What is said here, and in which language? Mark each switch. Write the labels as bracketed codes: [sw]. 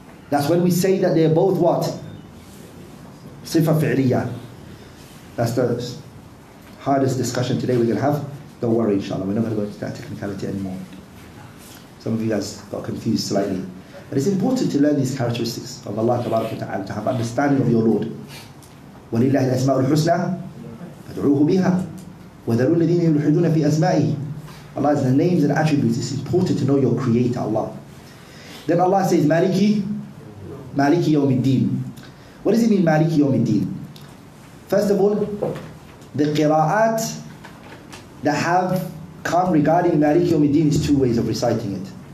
[en] That's when we say that they're both what? Sifa fi'liya. That's the hardest discussion today we're going to have. Don't worry, inshallah. We're not going to go into that technicality anymore. Some of you guys got confused slightly. But it's important to learn these characteristics of Allah tabarak wa ta'ala, to have understanding of your Lord. [ar] Walillahi al-asma'ul husna. فَدْعُوهُ بِهَا وَذَرُوا الَّذِينَ يُلْحِدُونَ فِي أَسْمَائِهِ [en] Allah has the names and attributes. It's important to know your creator, Allah. Then Allah says, [ar] مَالِكِ مَالِكِ يَوْمِ الدِّينِ [en] What does it mean, [ar] مَالِكِ يَوْمِ الدِّينِ [en] First of all, the qira'at that have come regarding مَالِكِ يَوْمِ الدِّينِ is two ways of reciting it.